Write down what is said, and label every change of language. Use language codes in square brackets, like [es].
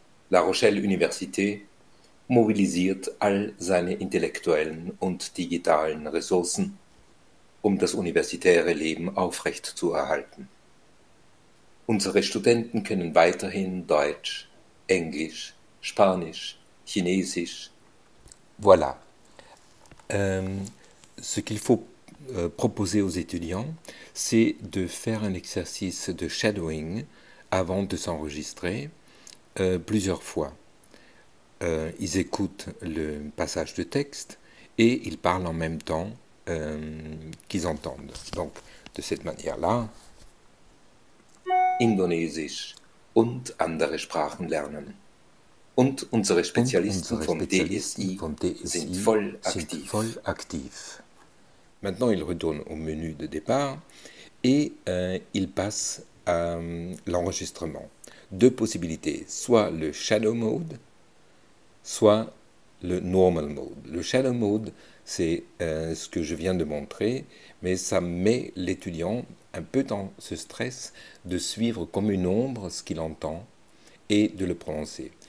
[de] La Rochelle Université mobilisiert all seine intellektuellen und digitalen Ressourcen, um das universitäre Leben aufrechtzuerhalten. Unsere Studenten können weiterhin Deutsch, Englisch, Spanisch, Chinesisch. [fr] Voilà. Ce qu'il faut proposer aux étudiants, c'est de faire un exercice de shadowing avant de s'enregistrer plusieurs fois. Ils écoutent le passage de texte et ils parlent en même temps qu'ils entendent. Donc, de cette manière-là. [de] Indonesisch und andere Sprachen lernen. Und unsere Spezialisten vom DSI sind voll aktiv. [fr] Maintenant, il retourne au menu de départ et il passe à l'enregistrement. Deux possibilités, soit le shadow mode, soit le normal mode. Le shadow mode, c'est ce que je viens de montrer, mais ça met l'étudiant un peu dans ce stress de suivre comme une ombre ce qu'il entend et de le prononcer.